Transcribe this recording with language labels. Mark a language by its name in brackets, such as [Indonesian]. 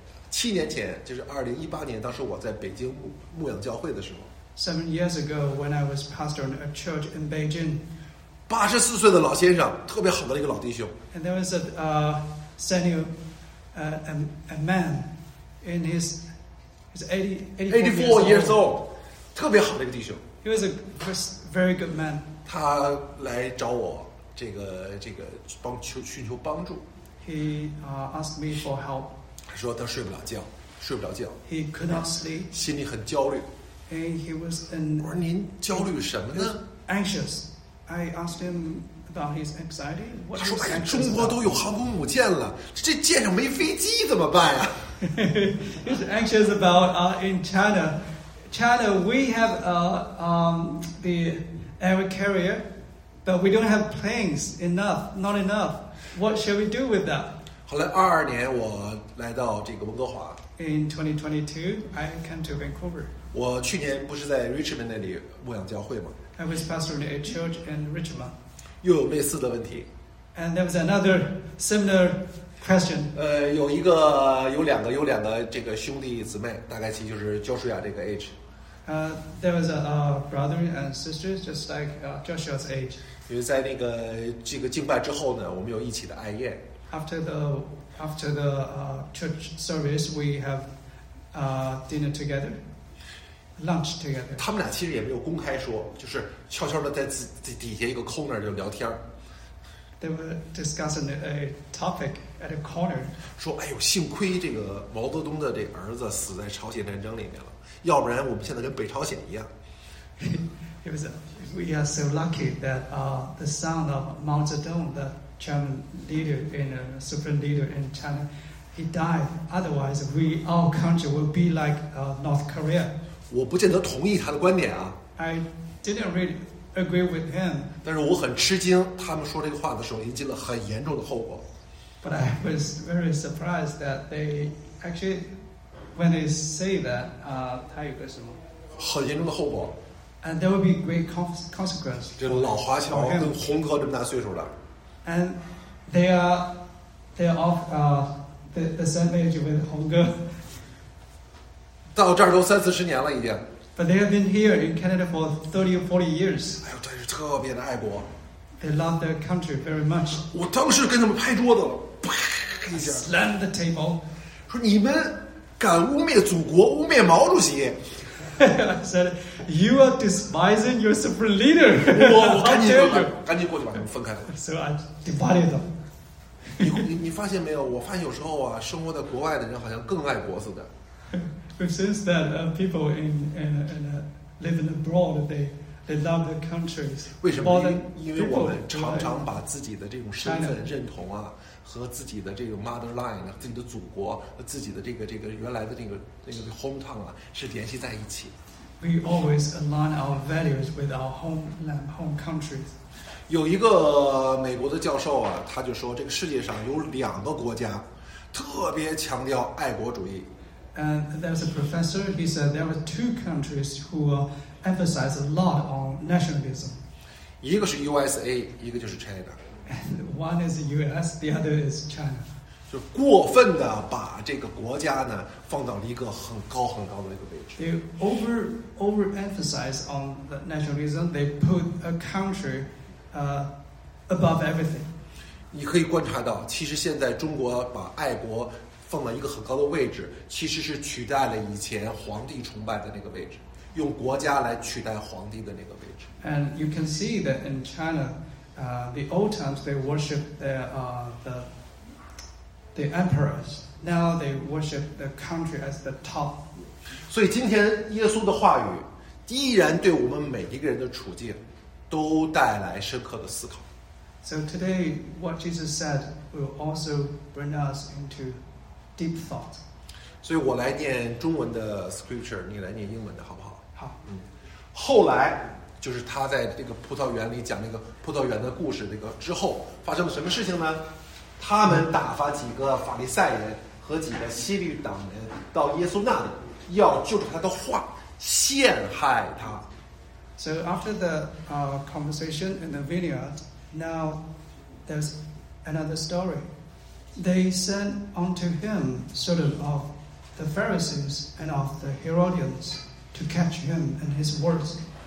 [Chinese] 七年前就是2018年，当时我在北京牧养教会的时候。 [English] 7 years ago, when I was pastoring a church in Beijing. [Chinese] 84岁的老先生，特别好的一个老弟兄。 [English] And there was a man in his 84 years old, [Chinese] 特别好的一个弟兄。 [English] He was a very good man. [Chinese] 他来找我，这个帮寻求帮助。 [English] He asked me for help. [Chinese] 说他睡不了觉。 [English] He could not sleep. [Chinese] 心里很焦虑。 [English] And he was in. [Chinese] 我说您焦虑什么呢 [English] ？Anxious. I asked him. About his anxiety, what [Chinese] 他说：“哎呀，中国都有航空母舰了，这舰上没飞机怎么办呀、啊、 [English] ？”He's anxious about in China. China, we have the air carrier, but we don't have planes enough, not enough. What shall we do with that? [Chinese] 后来2022年，我来到这个温哥华。 [English] In 2022, I came to Vancouver. [Chinese] 我去年不是在 Richmond 那里牧养教会吗 [English] ？I was pastoring a church in Richmond. [Chinese] 又有类似的问题。 [English] And there was another similar question. [Chinese] 有两个这个兄弟姊妹，大概其就是Joshua这个 age. [English] There was a brother and sister just like Joshua's age. [Chinese] 因为在那个这个敬拜之后呢，我们有一起的爱宴。 [English] After the church service, we have dinner together. Lunch together. [Chinese] 他们俩其实也没有公开说，就是悄悄的在自己底下一个 corner 就聊天。 [English] They were discussing a topic at a corner. [Chinese] 说，哎呦，幸亏这个毛泽东的这儿子死在朝鲜战争里面了，要不然我们现在跟北朝鲜一样。 [English] Because we are so lucky that the son of Mao Zedong, the chairman leader and supreme leader in China, he died. Otherwise, we our country will be like North Korea. [Chinese] 我不见得同意他的观点啊。 [English] I didn't really agree with him. [Chinese] 但是我很吃惊，他们说这个话的时候，引起了很严重的后果。 [English] But I was very surprised that they actually, when they say that, [Chinese] 他有个什么？很严重的后果。 [English] And there will be great consequence. [Chinese] 这老华侨跟洪哥这么大岁数的。 [English] And they are of the same age with Hong Ge. [Chinese] 到这儿都三四十年了已经。 [English] But they have been here in Canada for 30 or 40 years. [Chinese] 哎呦，真是特别的爱国。 [English] They love their country very much. [Chinese] 我当时跟他们拍桌子了，啪一下。 [English] Slammed the table. [Chinese] 说你们敢污蔑祖国，污蔑毛主席。 [English] I said, you are despising your supreme leader. [Chinese] 我赶紧走，赶紧过去把他们分开。 [English] So I divided them. [Chinese] 你发现没有？我发现有时候啊，生活在国外的人好像更爱国似的。 [English] Since that people in living abroad, they love their countries. [Chinese] 为什么？因为我们常常把自己的这种身份认同啊，和自己的这个 motherland 自己的祖国、自己的这个原来的那个 hometown 啊，是联系在一起。 [English] We always align our values with our homeland, home countries. [Chinese] 有一个美国的教授啊，他就说这个世界上有两个国家特别强调爱国主义。 [English] And there's a professor, he said there were two countries who emphasize a lot on nationalism. [Chinese] 一个是 USA, 一个就是 China. [English] One is US, the other is China. [Chinese] 就过分的把这个国家呢放到了一个很高很高的一个位置。 [English] They overemphasize on the nationalism, they put a country above everything. [Chinese] 你可以观察到，其实现在中国把爱国放了一个很高的位置，其实是取代了以前皇帝崇拜的那个位置，用国家来取代皇帝的那个位置。 [English] And you can see that in China, the old times they worship the emperors. Now they worship the country as the top. [Chinese] 所以今天耶稣的话语依然对我们每一个人的处境都带来深刻的思考。 [English] So today, what Jesus said will also bring us into deep thought. [Chinese] 所以我来念中文的 scripture, 你来念英文的好不好？好。后来就是他在这个葡萄园里讲那个葡萄园的故事，这个之后发生了什么事情呢？他们打发几个法利赛人和几个西律党人到耶稣那里，要就着他的话陷害他。 [English] So after the conversation in the vineyard, now there's another story. They sent unto him certain of the Pharisees and of the Herodians to catch him and his words.